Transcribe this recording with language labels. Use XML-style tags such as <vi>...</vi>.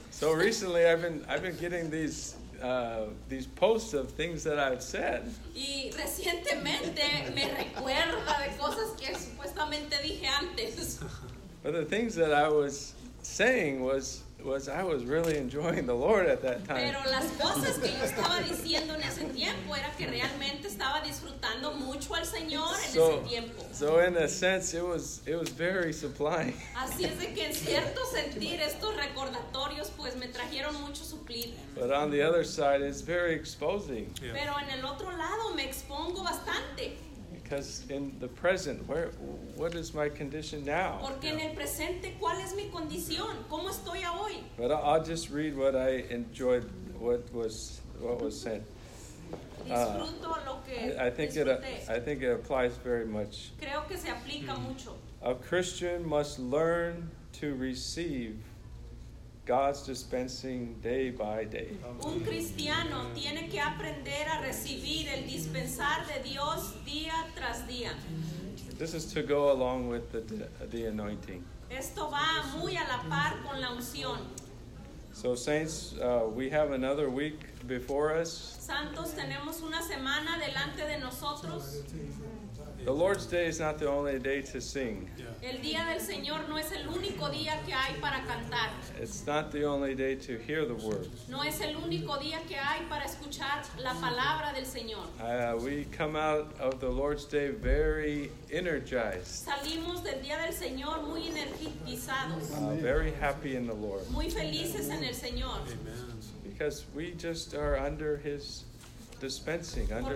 <en>So recently, I've been getting these posts of things that I've said.</en> <es>Y recientemente me recuerda de cosas que supuestamente dije antes.</es> <en>But the things that I was saying was I was really enjoying the Lord at that time.</en> <es>Pero las cosas que yo estaba diciendo en ese tiempo era que realmente estaba disfrutando mucho al Señor en ese tiempo.</es> <en>So in a sense it was very supplying.</en> <es>Así es de que en cierto sentir estos recordatorios pues me trajeron mucho suplir.</es> <en>But on the other side it's very exposing. Yeah.</en> <es>Pero en el otro lado me expongo bastante.</es> <en>Because in the present, what is my condition now?</en> <es>Porque en el presente, ¿cuál es mi condición? ¿Cómo estoy hoy?</es> <en>But I'll just read what I enjoyed, what was said.</en> <es>Disfruto lo que disfruté.</es> <en>I think it applies very much.</en> <es>Creo que se aplica mucho.</es> <en>A Christian must learn to receive God's dispensing day by day.</en> <es>Un cristiano tiene que aprender a recibir el dispensar de Dios día tras día.</es> <en>This is to go along with the anointing.</en> <es>Esto va muy a la par con la unción.</es> <en>So saints, we have another week before us.</en> <es>Santos, tenemos una semana delante de nosotros.</es> <en>The Lord's Day is not the only day to sing. Yeah.</en> <es>El día del Señor no es el único día que hay para cantar.</es> <en>It's not the only day to hear the word.</en> <es>No es el único día que hay para escuchar la palabra del Señor.</es> <en>We come out of the Lord's Day very energized.</en> <es>Salimos del día del Señor muy energizados.</es> <en>Very happy in the Lord.</en> <es>Muy felices en el Señor.</es> <en>Amen. Because we just are under His dispensing, under</en>